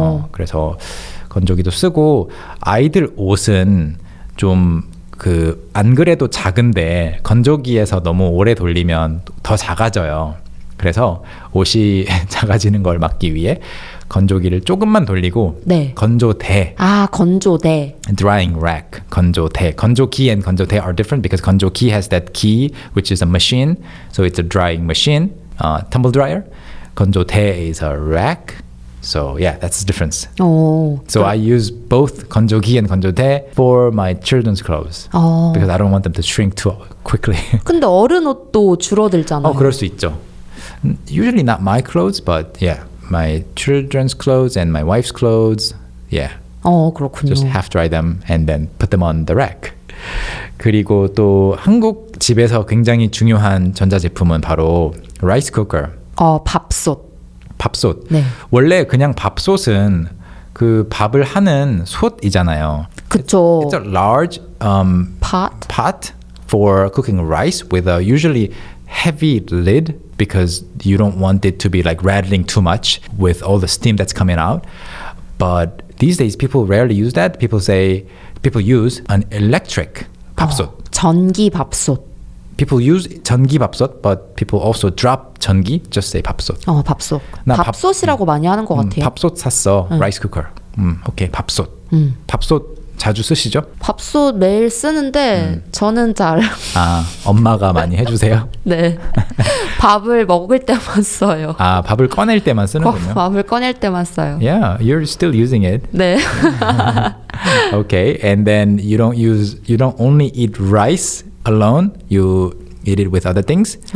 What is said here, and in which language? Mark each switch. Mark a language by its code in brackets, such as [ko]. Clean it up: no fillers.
[ko] 그래서 건조기도 쓰고 아이들 옷은 좀 그 안 그래도 작은데 건조기에서 너무 오래 돌리면 더 작아져요. 그래서 옷이 작아지는 걸 막기 위해 건조기를 조금만 돌리고 네. 건조대. 건조대. [en] Drying rack. 건조대. 건조기 and 건조대 are different because 건조기 has that key, which is a machine. So it's a drying machine, tumble dryer. 건조대 is a rack. So yeah, that's the difference. I use both 건조기 and 건조대 for my children's clothes. Because I don't want them to shrink too quickly. [ko] 근데 어른 옷도 줄어들잖아요. 그럴 수 있죠. [en] Usually not my clothes, but yeah, my children's clothes and my wife's clothes, yeah. [ko] 그렇군요. [en] Just half dry them and then put them on the rack. [ko] 그리고 또 한국 집에서 굉장히 중요한 전자제품은 바로 라이스 쿠커. 밥솥. 밥솥. 네. 원래 그냥 밥솥은 그 밥을 하는 솥이잖아요. 그렇죠. [en] It's a large pot. Pot for cooking rice with a usually heavy lid because you don't want it to be like rattling too much with all the steam that's coming out. But these days people rarely use that. People use an electric 밥솥. [ko] 전기 밥솥. [en] People use 전기 밥솥, but people also drop 전기, just say 밥솥. [ko] 밥솥. 밥솥이라고 많이 하는 것 같아요. 밥솥 샀어. 응. [en] Rice cooker. [ko] 오케이, 밥솥. 밥솥 자주 쓰시죠? 밥솥 매일 쓰는데 저는 잘. 엄마가 많이 해주세요? 네. 밥을 먹을 때만 써요. 밥을 꺼낼 때만 쓰는군요. 밥을 꺼낼 때만 써요. [en] Yeah, you're still using it. [ko] 네. [en] Okay, and then you don't only eat rice alone, you eat it with other things?